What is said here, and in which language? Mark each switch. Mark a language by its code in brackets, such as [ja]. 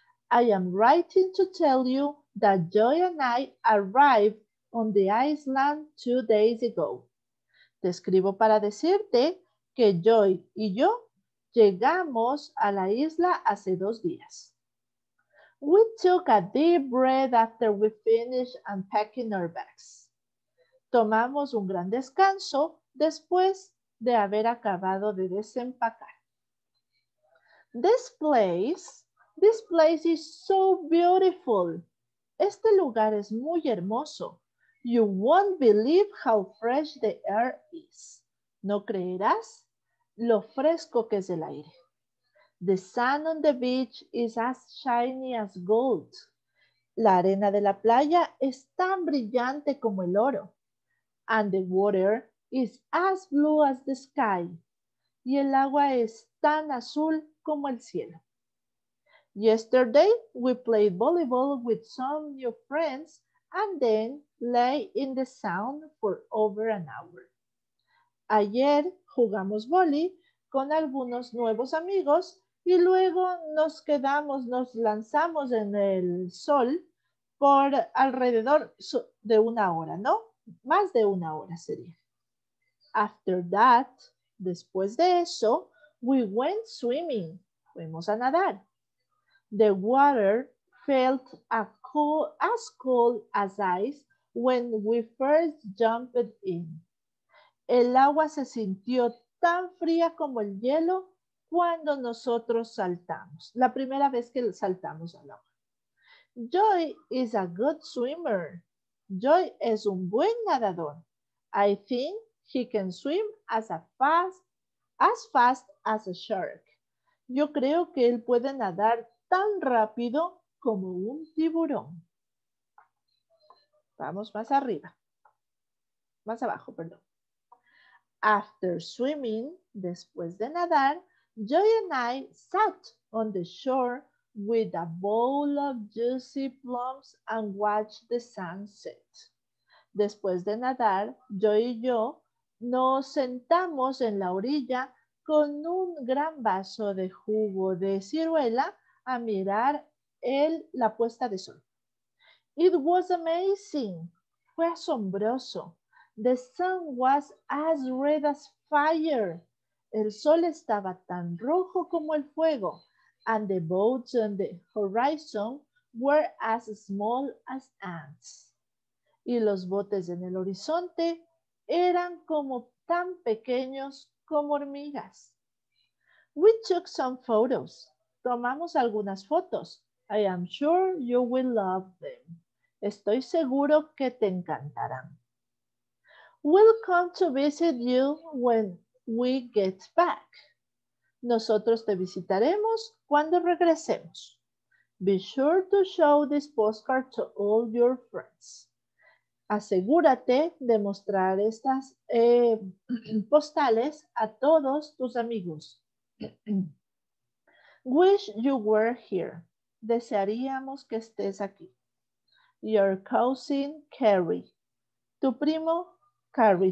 [en] I am writing to tell you that Joy and I arrived on the island 2 days ago. [es] Te escribo para decirte que Joy y yo llegamos a la isla hace 2 días. [en] We took a deep breath after we finished unpacking our bags. [es] Tomamos un gran descanso después de haber acabado de desempacar. [en] This place is so beautiful. [es] Este lugar es muy hermoso. [en] You won't believe how fresh the air is. [es] No creerás lo fresco que es el aire. [en] The sand on the beach is as shiny as gold. [es] La arena de la playa es tan brillante como el oro. [en] And the water is as blue as the sky. [es] Y el agua es tan azul como el cielo. [en] Yesterday, we played volleyball with some new friends and then lay in the sun for over an hour. [es] Ayer, jugamos vóley con algunos nuevos amigos y luego nos lanzamos en el sol por alrededor de una hora, ¿no? Más de una hora sería. [en] After that, [es] después de eso, [en] we went swimming. [es] Fuimos a nadar. [en] The water felt as cold as ice when we first jumped in. [es] El agua se sintió tan fría como el hielo cuando nosotros saltamos. La primera vez que saltamos al agua. [en] Joy is a good swimmer. [es] Joy es un buen nadador. [en] I think he can swim as fast as a shark. [es] Yo creo que él puede nadar tan rápido como un tiburón. Vamos más arriba. Más abajo, perdón. [en] After swimming, [es] después de nadar, [en] Joy and I sat on the shore with a bowl of juicy plums and watched the sunset. [es] Después de nadar, Joy y yo nos sentamos en la orilla con un gran vaso de jugo de ciruela a mirar la puesta de sol. [en] It was amazing. [es] Fue asombroso. [en] The sun was as red as fire. [es] El sol estaba tan rojo como el fuego. [en] And the boats on the horizon were as small as ants. [es] Y los botes en el horizonte eran como tan pequeños como hormigas. [en] We took some photos. [es] Tomamos algunas fotos. [en] I am sure you will love them. [es] Estoy seguro que te encantarán. [en] We'll come to visit you when we get back. [es] Nosotros te visitaremos cuando regresemos. [en] Be sure to show this postcard to all your friends. [es] Asegúrate de mostrar estas postales a todos tus amigos. [en] Wish you were here. [es] Desearíamos que estés aquí. [en] Your cousin Carrie. [es] Tu primo Carrie.